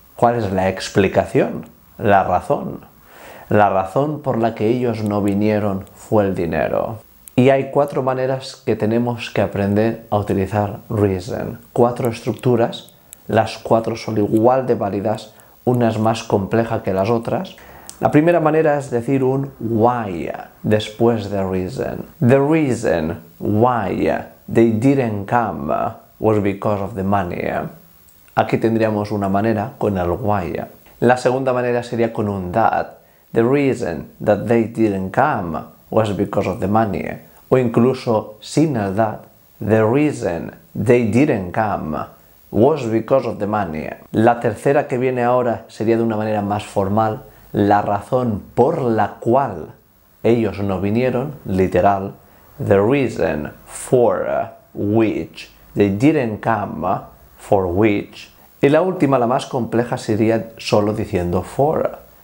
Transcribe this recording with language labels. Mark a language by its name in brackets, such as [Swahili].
[Spanish] ¿Cuál es la explicación? La razón. La razón por la que ellos no vinieron fue el dinero. Y hay cuatro maneras que tenemos que aprender a utilizar reason. Cuatro estructuras, las cuatro son igual de válidas, una es más compleja que las otras. La primera manera es decir un why después de reason. [English] The reason why they didn't come was because of the money. [Spanish] Aquí tendríamos una manera con el why. La segunda manera sería con un that. [English] The reason that they didn't come was because of the money. [Spanish] O incluso sin el [English] that. The reason they didn't come was because of the money. [Spanish] La tercera que viene ahora sería de una manera más formal. La razón por la cual ellos no vinieron, literal, [English] the reason for which [Spanish] they didn't come, for which. Y la última, la más compleja, sería solo diciendo for.